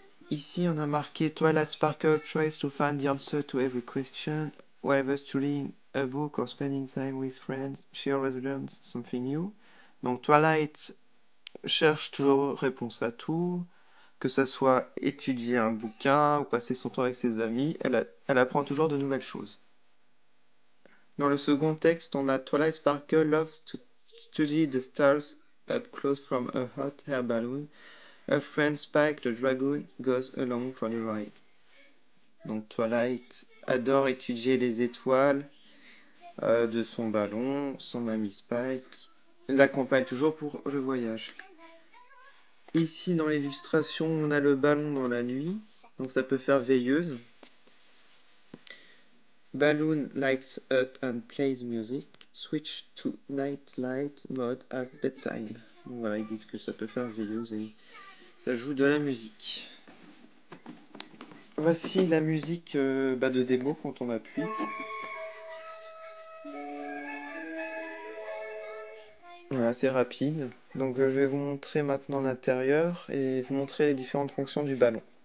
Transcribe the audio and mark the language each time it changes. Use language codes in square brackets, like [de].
[fr] Ici, on a marqué [en] Twilight Sparkle tries to find the answer to every question. Whether studying a book or spending time with friends, she always learns something new. [fr] Donc, Twilight cherche toujours réponse à tout. Que ce soit étudier un bouquin ou passer son temps avec ses amis, elle apprend toujours de nouvelles choses. Dans le second texte, on a [en] Twilight Sparkle loves to study the stars up close from a hot air balloon. Her friend Spike the Dragon goes along for the ride. [fr] Donc Twilight adore étudier les étoiles de son ballon. Son ami Spike l'accompagne toujours pour le voyage. Ici, dans l'illustration, on a le ballon dans la nuit. Donc ça peut faire veilleuse. [en] Balloon lights up and plays music. Switch to night light mode at bedtime. [fr] Voilà, ils disent que ça peut faire veilleuse et ça joue de la musique. Voici la musique de démo quand on appuie. Voilà, c'est rapide. Donc je vais vous montrer maintenant l'intérieur et vous montrer les différentes fonctions du ballon.